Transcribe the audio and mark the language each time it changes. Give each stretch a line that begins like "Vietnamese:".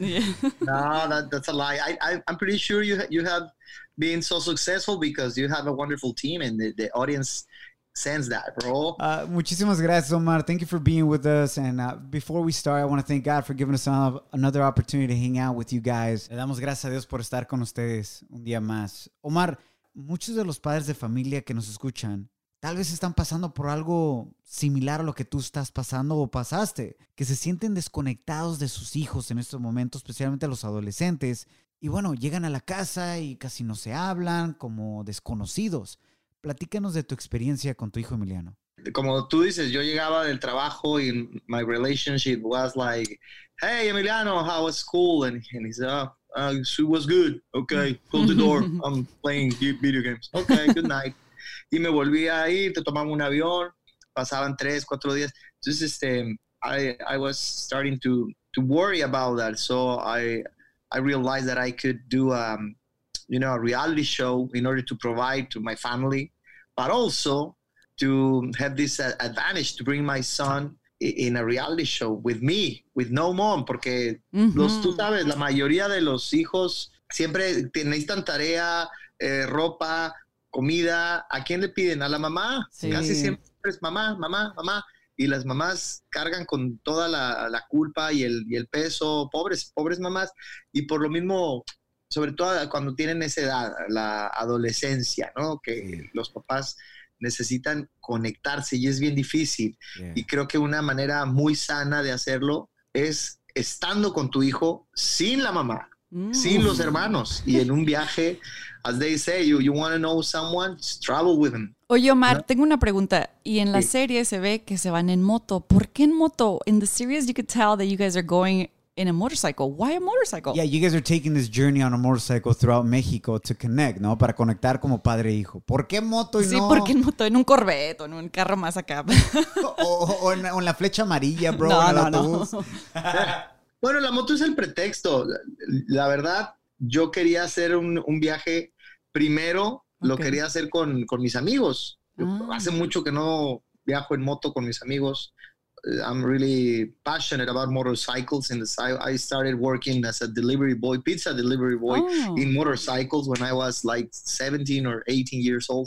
English: Yeah. No, that's a lie. I'm pretty sure you have been so successful because you have a wonderful team and the audience sends that, bro.
Spanish: Muchísimas gracias,
English: Omar. Thank you for being with us. And before we start, I want to thank God for giving us another opportunity to hang out with you guys.
Spanish: Le damos gracias a Dios por estar con ustedes un día más. Omar, muchos de los padres de familia que nos escuchan tal vez están pasando por algo similar a lo que tú estás pasando o pasaste, que se sienten desconectados de sus hijos en estos momentos, especialmente los adolescentes. Y bueno, llegan a la casa y casi no se hablan, como desconocidos. Platícanos de tu experiencia con tu hijo Emiliano. Como tú dices, yo llegaba del trabajo y
English: my relationship was like, hey, Emiliano, how was school? And he said, oh, it was good. Okay, close the door. I'm playing video games. Okay, good night.
Spanish: Y me volví a ir, te tomaba un avión. Pasaban 3-4 días. Entonces, I was starting to worry about that.
English: So I realized that I could do a reality show in order to provide to my family, but also to have this advantage to bring my son in a reality show with me, with no mom,
Spanish: porque los tú sabes, la mayoría de los hijos siempre necesitan tarea, ropa, comida. ¿A quién le piden? ¿A la mamá? Sí. Casi siempre es mamá, mamá, mamá. Y las mamás cargan con toda la culpa y el peso. Pobres, pobres mamás. Y por lo mismo, sobre todo cuando tienen esa edad, la adolescencia, ¿no? Que sí. Los papás necesitan conectarse y es bien difícil. Yeah. Y creo que una manera muy sana de hacerlo es estando con tu hijo sin la mamá, sin los hermanos. Y en un viaje,
English: as they say, you want to know someone, just travel with them.
Spanish: Oye, Omar, no. Tengo una pregunta. Y en la serie se ve que se van en moto. ¿Por qué en moto?
English: In the series, you could tell that you guys are going in a motorcycle. Why a motorcycle? Yeah, you guys are taking this journey on a motorcycle throughout Mexico to connect, ¿no?
Spanish: Para conectar como padre e hijo. ¿Por qué moto y sí, no? Sí, ¿por qué en moto? En un Corvette o en un carro más acá. O en la flecha amarilla, bro. No, en el autobús. Bueno, la moto es el pretexto. La verdad, yo quería hacer un viaje primero, okay. Lo quería hacer con mis amigos. Ah. Hace mucho que no viajo en moto con mis amigos.
English: I'm really passionate about motorcycles, and I started working as a delivery boy, pizza delivery boy, oh. in motorcycles when I was like 17 or 18 years old.